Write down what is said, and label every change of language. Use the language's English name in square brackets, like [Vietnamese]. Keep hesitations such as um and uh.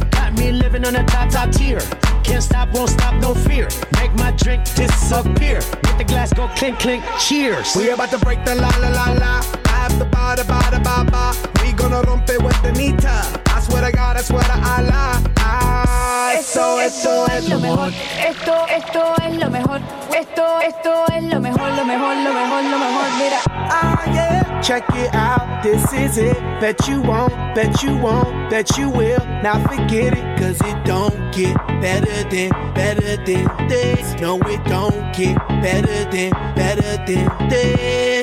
[English] Got me living on a top top tier. Can't stop, won't stop, no fear. Make my drink disappear. Hit the glass, go clink clink. Cheers. We about to break the la la la la. I have the bada bada ba ba. We gonna rompe with the nita. I swear to God, I swear to Allah. [Spanish] Ah, so esto, esto, esto es, es lo mejor. mejor. Esto, esto es lo mejor. Esto, esto es lo mejor, lo mejor, lo mejor, lo mejor. Mira, [English] ah, yeah. Check it out, this is it. Bet you won't, bet you won't, bet you will. Now forget it, cause it don't get better than, better than this. No, it don't get better than, better than this.